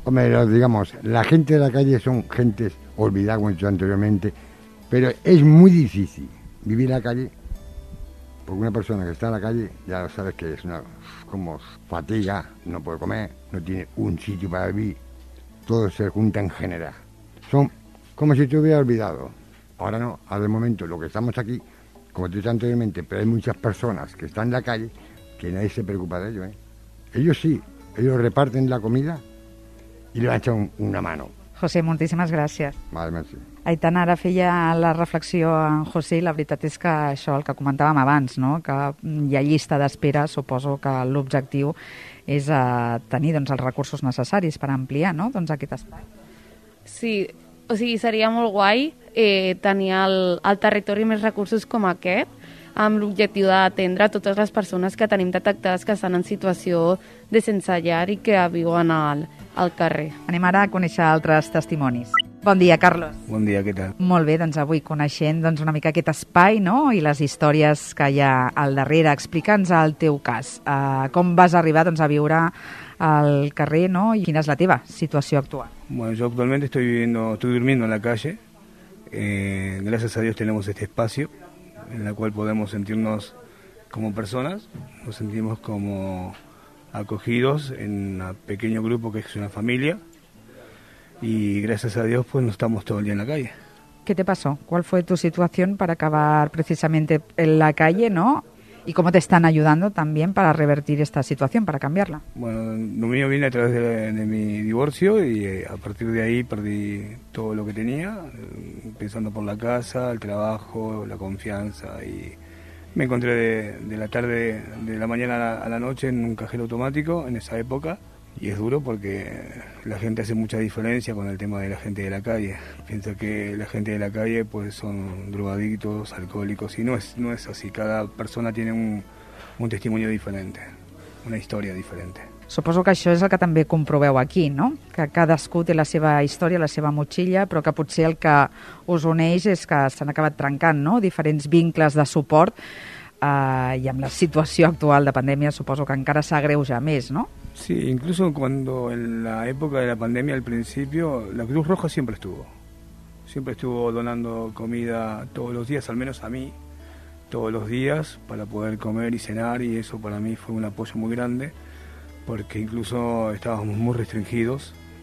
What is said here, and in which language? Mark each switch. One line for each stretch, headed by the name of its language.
Spanish: Hombre, digamos, la gente de la calle son gentes olvidadas, como he dicho anteriormente, pero es muy difícil vivir en la calle, porque una persona que está en la calle, ya sabes que es una como fatiga, no puede comer, no tiene un sitio para vivir, todo se junta en general. Son como si te hubiera olvidado. Ahora no, ahora de momento, lo que estamos aquí, como te he dicho anteriormente, pero hay muchas personas que están en la calle que nadie se preocupa de ellos, ¿eh? Ellos sí, ellos reparten la comida y le han echado una mano.
Catalan: José, moltíssimes gràcies. Vale, merci. Aitana, ara feia la reflexió a en José i la veritat és que això, el que comentàvem abans, no?, que hi ha llista d'espera, suposo que l'objectiu és tenir, doncs, els recursos necessaris per ampliar, no?, doncs, aquest espai. Sí, o sigui, seria molt guai tenir el territori més recursos com aquest, amb l'objectiu d'atendre totes les persones que tenim detectades que estan en situació de sense llar i que viuen al carrer. Anem ara a conèixer altres testimonis. Bon dia, Carlos. Bon dia, què tal? Molt bé, doncs avui coneixent, doncs, una mica aquest espai, no?, i les històries que hi ha al darrere. Explica'ns el teu cas. Com vas arribar, doncs, a viure al carrer, no?, i quina és la teva situació actual?
Spanish: Bueno, yo actualmente estoy durmiendo en la calle. Gracias a Dios tenemos este espacio en la cual podemos sentirnos como personas, nos sentimos como acogidos en un pequeño grupo que es una familia, y gracias a Dios pues no estamos todo el día en la calle. ¿Qué te pasó? ¿Cuál fue tu situación para acabar precisamente en la calle, no? ¿Y cómo te están ayudando también para revertir esta situación, para cambiarla? Bueno, lo mío viene a través de mi divorcio, y a partir de ahí perdí todo lo que tenía, empezando por la casa, el trabajo, la confianza, y me encontré de la tarde, de la mañana a la noche en un cajero automático en esa época, y es duro porque la gente hace mucha diferencia con el tema de la gente de la calle. Piensa que la gente de la calle pues son drogadictos, alcohólicos, y no es así. Cada persona tiene un testimonio diferente, una historia diferente.
Catalan: Suposo que això és el que també comproveu aquí, no? Que cadascú té la seva història, la seva motxilla, però que potser el que us uneix és que s'han acabat trencant, no?, diferents vincles de suport, i amb la situació actual de pandèmia suposo que encara s'agreuja més, no?
Spanish: Sí, incluso cuando en la época de la pandemia, al principio, la Cruz Roja siempre estuvo. Siempre estuvo donando comida todos los días, al menos a mí. todos los días para poder comer y cenar, y eso para mí fue un apoyo muy grande, porque incluso estábamos muy restringidos.